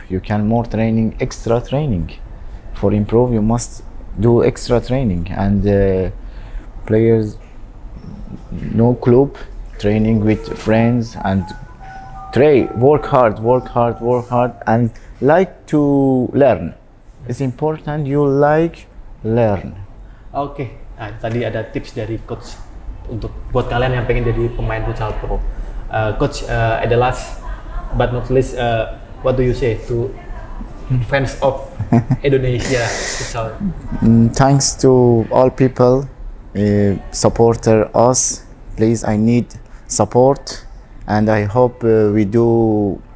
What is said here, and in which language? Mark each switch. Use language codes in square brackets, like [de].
[en] You can more training, extra training. For improve, you must do extra training. And players, no club, training with friends and work hard, and like to learn. It's important you like learn. [id] Okay, nah, tadi ada tips dari coach untuk buat kalian yang pengen jadi pemain futsal pro. [en] Coach, at the last but not least, what do you say to fans of Indonesia futsal? Thanks to all people, supporter us. Please, I need support, and I hope we do